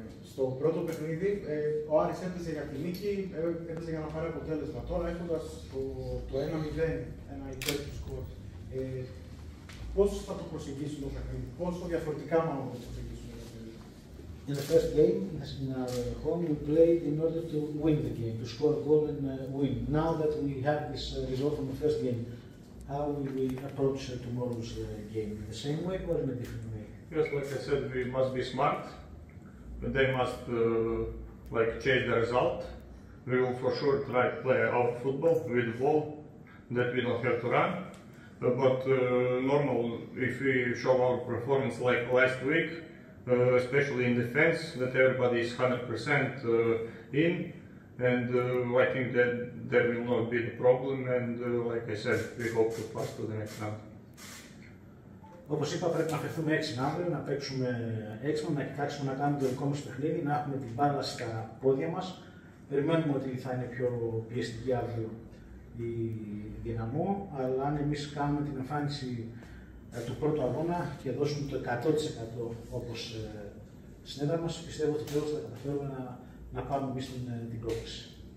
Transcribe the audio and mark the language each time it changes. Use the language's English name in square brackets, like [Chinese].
[Greek] Στο πρώτο παιχνίδι, ο Άρης έπαιζε για την νίκη, έπαιζε για να πάρει αποτέλεσμα. Τώρα, έχοντας το 1-0, ένα υπέρτο σκορ, πώς θα το προσεγγίσουν το παιχνίδι, πόσο διαφορετικά μάλλον θα το προσεγγίσουν το παιχνίδι? [English] In the first game, as in our home, we played in order to win the game, to score a goal and win. Now that we have this result from the first game, how will we approach tomorrow's game? In the same way or in a different way? Yes, like I said, we must be smart. They must change the result. We will for sure try to play our football with the ball that we don't have to run. But normal, if we show our performance like last week, especially in defense, that everybody is 100% in, and I think that there will not be the problem. And like I said, we hope to pass to the next round. [Greek] Όπως είπα, πρέπει να φερθούμε έξυπνα αύριο, να παίξουμε έξυπνα, να κοιτάξουμε να κάνουμε το δικό μας παιχνίδι, να έχουμε την μπάλα στα πόδια μας. Περιμένουμε ότι θα είναι πιο πιεστική αύριο η Δυναμό, αλλά αν εμείς κάνουμε την εμφάνιση του πρώτου αγώνα και δώσουμε το 100% όπως στην έδρα μας, πιστεύω ότι τέλος θα καταφέρουμε να πάρουμε εμείς την πρόκληση.